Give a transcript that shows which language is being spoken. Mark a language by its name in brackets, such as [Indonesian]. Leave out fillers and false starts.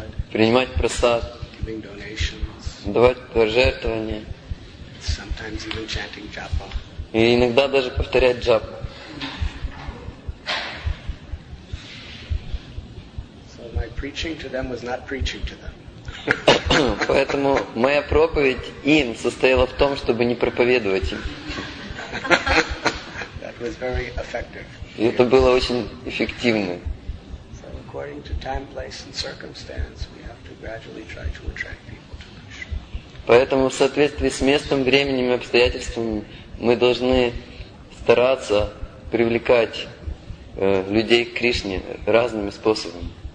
[Russian] принимать прасад, давать пожертвования, [English] sometimes even chanting japa. [Russian] И иногда даже повторять джапу. [English] Preaching to them was not preaching to them. [Russian] Поэтому моя проповедь им состояла в том, чтобы не проповедовать им. [English] That was very effective. [Russian] И это было очень эффективно. [English] So according to time, place, and circumstance, we have to gradually try to attract people to Krishna. [Russian] Поэтому в соответствии с местом, временем и обстоятельствами мы должны стараться привлекать людей к Кришне разными способами.